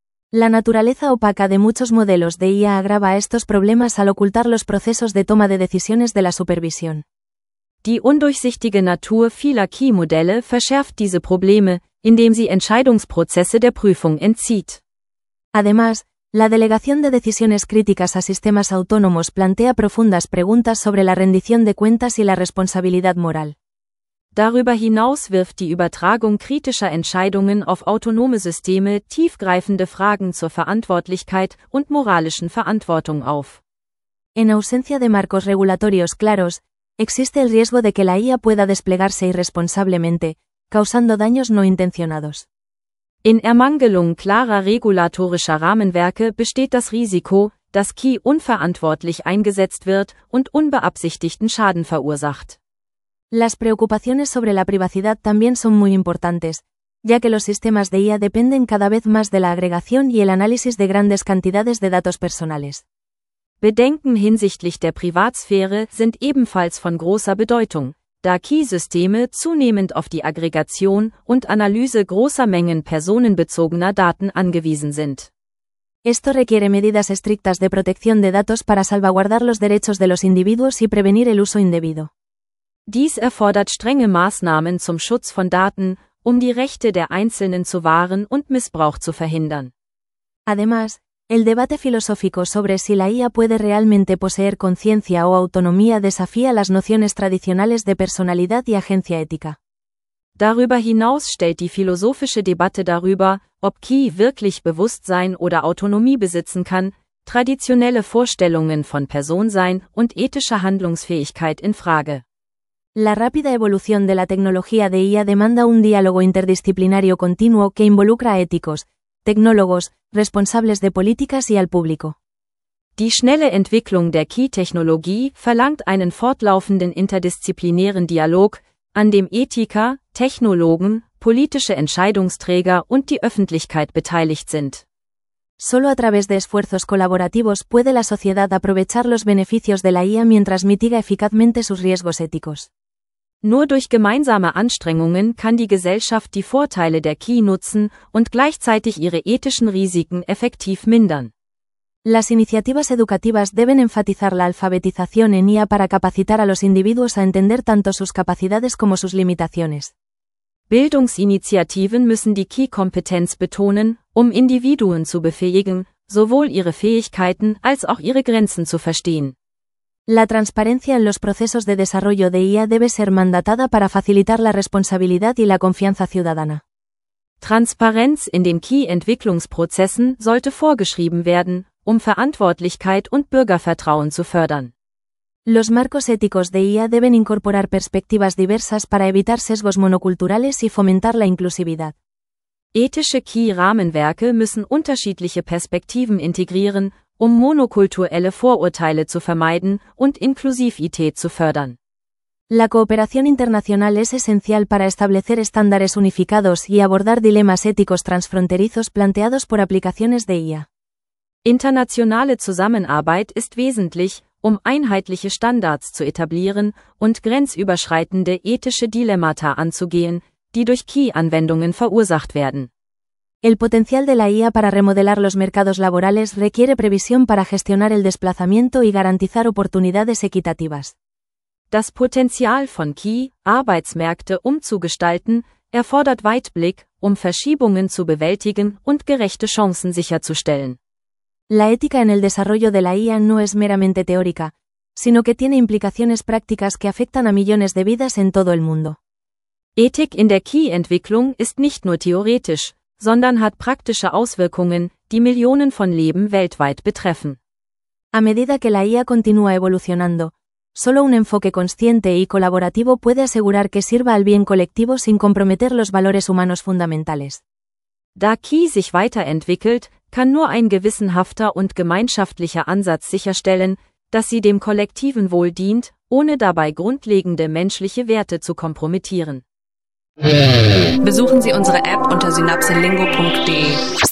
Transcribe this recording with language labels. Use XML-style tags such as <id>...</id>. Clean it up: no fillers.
<es>La naturaleza opaca de muchos modelos de IA agrava estos problemas al ocultar los procesos de toma de decisiones de la supervisión.</es> <de>Die undurchsichtige Natur vieler KI-Modelle verschärft diese Probleme, indem sie Entscheidungsprozesse der Prüfung entzieht.</de> <es>Además, la delegación de decisiones críticas a sistemas autónomos plantea profundas preguntas sobre la rendición de cuentas y la responsabilidad moral.</es> <de>Darüber hinaus wirft die Übertragung kritischer Entscheidungen auf autonome Systeme tiefgreifende Fragen zur Verantwortlichkeit und moralischen Verantwortung auf.</de> <es>En ausencia de marcos regulatorios claros, existe el riesgo de que la IA pueda desplegarse irresponsablemente, causando daños no intencionados.</es> <de>In Ermangelung klarer regulatorischer Rahmenwerke besteht das Risiko, dass KI unverantwortlich eingesetzt wird und unbeabsichtigten Schaden verursacht.</de> <es>Las preocupaciones sobre la privacidad también son muy importantes, ya que los sistemas de IA dependen cada vez más de la agregación y el análisis de grandes cantidades de datos personales.</es> <de>Bedenken hinsichtlich der Privatsphäre sind ebenfalls von großer Bedeutung, da KI-Systeme zunehmend auf die Aggregation und Analyse großer Mengen personenbezogener Daten angewiesen sind.</de> <es>Esto requiere medidas estrictas de protección de datos para salvaguardar los derechos de los individuos y prevenir el uso indebido.</es> <de>Dies erfordert strenge Maßnahmen zum Schutz von Daten, um die Rechte der Einzelnen zu wahren und Missbrauch zu verhindern.</de> <es>Además, el debate filosófico sobre si la IA puede realmente poseer conciencia o autonomía desafía las nociones tradicionales de personalidad y agencia ética.</es> <de>Darüber hinaus stellt die philosophische Debatte darüber, ob KI wirklich Bewusstsein oder Autonomie besitzen kann, traditionelle Vorstellungen von Personsein und ethischer Handlungsfähigkeit in Frage.</de> <es>La rápida evolución de la tecnología de IA demanda un diálogo interdisciplinario continuo que involucra a éticos, tecnólogos, responsables de políticas y al público.</es> <de>Die schnelle Entwicklung der KI-Technologie verlangt einen fortlaufenden interdisziplinären Dialog, an dem Ethiker, Technologen, politische Entscheidungsträger und die Öffentlichkeit beteiligt sind.</de> <es>Solo a través de esfuerzos colaborativos puede la sociedad aprovechar los beneficios de la IA mientras mitiga eficazmente sus riesgos éticos.</es> <de>Nur durch gemeinsame Anstrengungen kann die Gesellschaft die Vorteile der KI nutzen und gleichzeitig ihre ethischen Risiken effektiv mindern.</de> <es>Las iniciativas educativas deben enfatizar la alfabetización en IA para capacitar a los individuos a entender tanto sus capacidades como sus limitaciones.</es> <de>Bildungsinitiativen müssen die KI-Kompetenz betonen, um Individuen zu befähigen, sowohl ihre Fähigkeiten als auch ihre Grenzen zu verstehen.</de> <es>La transparencia en los procesos de desarrollo de IA debe ser mandatada para facilitar la responsabilidad y la confianza ciudadana.</es> <de>Transparenz in den KI-Entwicklungsprozessen sollte vorgeschrieben werden, um Verantwortlichkeit und Bürgervertrauen zu fördern.</de> <es>Los marcos éticos de IA deben incorporar perspectivas diversas para evitar sesgos monoculturales y fomentar la inclusividad.</es> <de>Ethische KI-Rahmenwerke müssen unterschiedliche Perspektiven integrieren, um monokulturelle Vorurteile zu vermeiden und Inklusivität zu fördern.</de> <es>La cooperación internacional es esencial para establecer estándares unificados y abordar dilemas éticos transfronterizos planteados por aplicaciones de IA.</es> <de>Internationale Zusammenarbeit ist wesentlich, um einheitliche Standards zu etablieren und grenzüberschreitende ethische Dilemmata anzugehen, die durch KI-Anwendungen verursacht werden.</de> <es>El potencial de la IA para remodelar los mercados laborales requiere previsión para gestionar el desplazamiento y garantizar oportunidades equitativas.</es> <de>Das Potenzial von KI, Arbeitsmärkte umzugestalten, erfordert Weitblick, um Verschiebungen zu bewältigen und gerechte Chancen sicherzustellen.</de> <es>La ética en el desarrollo de la IA no es meramente teórica, sino que tiene implicaciones prácticas que afectan a millones de vidas en todo el mundo.</es> <de>Ethik in der KI-Entwicklung ist nicht nur theoretisch, sondern hat praktische Auswirkungen, die Millionen von Leben weltweit betreffen.</de> <es>A medida que la IA continúa evolucionando, solo un enfoque consciente y colaborativo puede asegurar que sirva al bien colectivo sin comprometer los valores humanos fundamentales.</es> <de>Da KI sich weiterentwickelt, kann nur ein gewissenhafter und gemeinschaftlicher Ansatz sicherstellen, dass sie dem kollektiven Wohl dient, ohne dabei grundlegende menschliche Werte zu kompromittieren. Besuchen Sie unsere App unter synapselingo.de.</de>